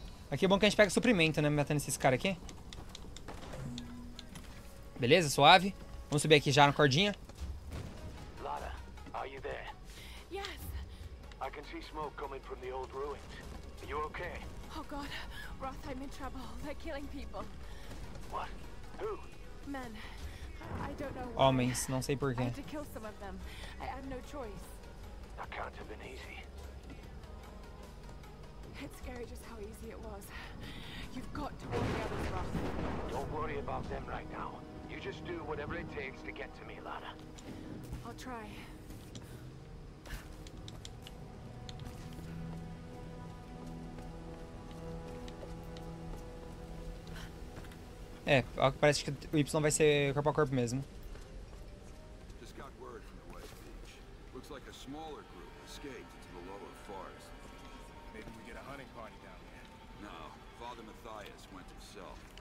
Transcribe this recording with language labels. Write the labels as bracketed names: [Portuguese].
[Portuguese] Aqui é bom que a gente pega suprimento, né? Matando esses caras aqui. Beleza, suave. Vamos subir aqui já na cordinha. [English] Lara, are you there? Yes. I can see smoke coming from the old ruins. Are you okay? Oh god, Roth, I'm in trouble. They're killing people. What? Who? Men. I don't know why. [Portuguese] Homens, não sei porquê. [English] I have to kill some of them. I have no choice. That can't have been easy. It's scary just how easy it was. You've got to warn the others, Roth. Don't worry about them right now. You just do whatever it takes to get to me, Lara. I'll try. [Portuguese] É, parece que o Y vai ser corpo a corpo mesmo. [English] Just got word from the West Beach. Looks like a smaller group escaped into the lower forest. Maybe we get a hunting party down there. No, Father Matthias went himself.